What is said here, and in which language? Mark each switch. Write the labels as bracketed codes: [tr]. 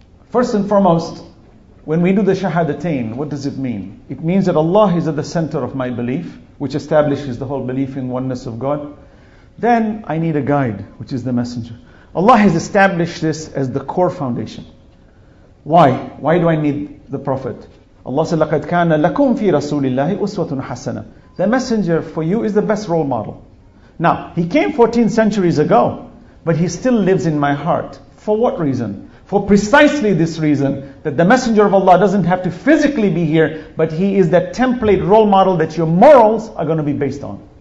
[en] First and foremost, when we do the shahadatain, what does it mean? It means that Allah is at the center of my belief, which establishes the whole belief in oneness of God. Then I need a guide, which is the messenger. Allah has established this as the core foundation. Why? Why do I need the Prophet? Allah said, [ar] لَقَدْ كَانَ لَكُمْ فِي رَسُولِ اللَّهِ أُسْوَةٌ حَسَنَةٌ. [en] The messenger for you is the best role model. Now, he came 14 centuries ago, but he still lives in my heart. For what reason? For precisely this reason, that the Messenger of Allah doesn't have to physically be here, but he is that template role model that your morals are going to be based on.